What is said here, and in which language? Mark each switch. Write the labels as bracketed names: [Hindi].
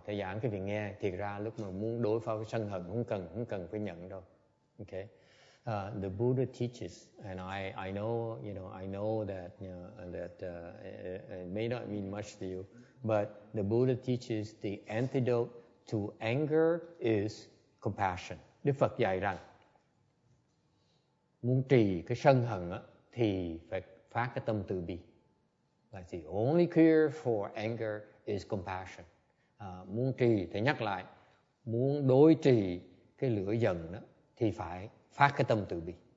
[Vietnamese] Thầy giảng cái việc nghe, thiệt ra lúc mà muốn đối phó với sân hận, không cần phải nhận đâu. [English] Okay. The Buddha teaches, and I know that it may not mean much to you, but the Buddha teaches the antidote to anger is compassion. [Vietnamese] Đức Phật dạy rằng, muốn trì cái sân hận á, thì phải phát cái tâm từ bi. [English] Like the only cure for anger is compassion. [Vietnamese] Muốn trì thì nhắc lại, muốn đối trì cái lửa giận đó thì phải phát cái tâm từ bi.